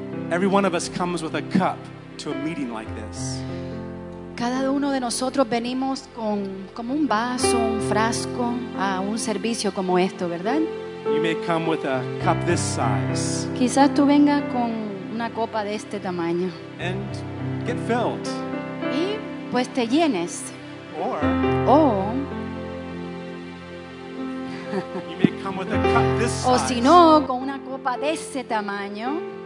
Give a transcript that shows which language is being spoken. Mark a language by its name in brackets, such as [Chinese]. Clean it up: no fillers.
[English] Every one of us comes with a cup to a meeting like this. [Spanish] Cada uno de nosotros venimos con como un vaso, un frasco a un servicio como esto, ¿verdad? [English] You may come with a cup this size. [Spanish] Quizás tú vengas con una copa de este tamaño. [English] And get filled. [Spanish] Y pues te llenes. [English] Or you may come with a cup this size. [Spanish] O si no, con una copa de ese tamaño.